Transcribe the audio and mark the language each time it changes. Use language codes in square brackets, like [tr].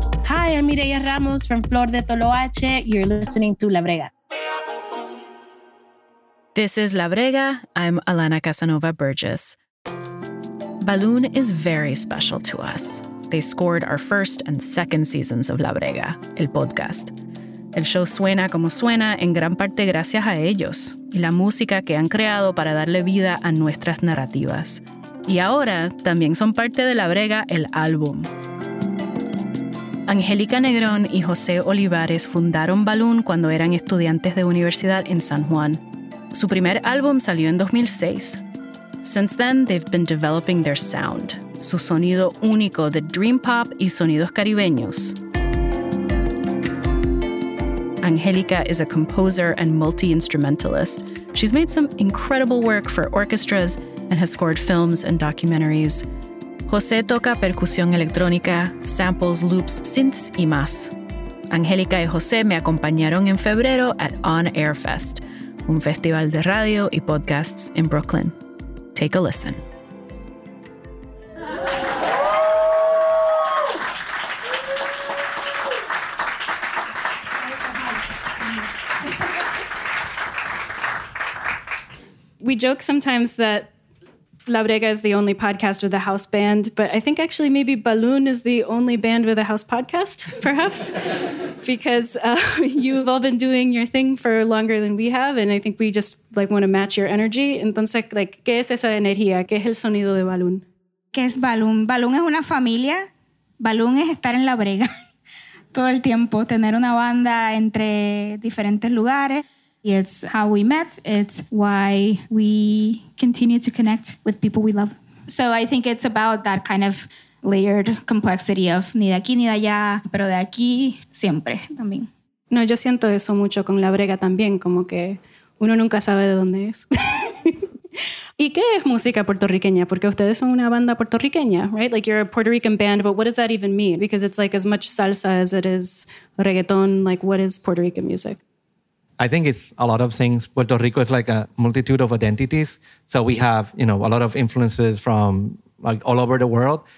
[en] I'm Mireia Ramos from Flor de Toloache. You're listening to La Brega. This is La Brega. I'm Alana Casanova Burgess. Balloon is very special to us. They scored our first and second seasons of La Brega, el podcast. [es] El show suena como suena en gran parte gracias a ellos y la música que han creado para darle vida a nuestras narrativas. Y ahora también son parte de La Brega, el álbum. Angélica Negrón y José Olivares fundaron Balloon cuando eran estudiantes de universidad en San Juan. Su primer álbum salió en 2006. [en] Since then, they've been developing their sound, [es] su sonido único de dream pop y sonidos caribeños. [en] Angélica is a composer and multi-instrumentalist. She's made some incredible work for orchestras and has scored films and documentaries. [es] José toca percusión electrónica, samples, loops, synths y más. Angélica y José me acompañaron en febrero at On Air Fest, un festival de radio y podcasts in Brooklyn. [en] Take a listen. We joke sometimes that La Brega is the only podcast with a house band, but I think actually maybe Balloon is the only band with a house podcast, perhaps, because you've all been doing your thing for longer than we have, and I think we just like want to match your energy. [es] Entonces, like, ¿qué es esa energía? ¿Qué es el sonido de Balloon? ¿Qué es Balloon? Balloon es una familia. Balloon es estar en La Brega todo el tiempo, tener una banda entre diferentes lugares. [en] It's how we met. It's why we continue to connect with people we love. So I think it's about that kind of layered complexity of [es] ni de aquí ni de allá, pero de aquí siempre también. No, yo siento eso mucho con La Brega también, como que uno nunca sabe de dónde es. ¿Y qué es música puertorriqueña? Porque ustedes son una banda puertorriqueña, right? [en] Like, you're a Puerto Rican band, but what does that even mean? Because it's like as much salsa as it is reggaeton. Like, what is Puerto Rican music? I think it's a lot of things. Puerto Rico is like a multitude of identities. So we have, you know, a lot of influences from like all over the world.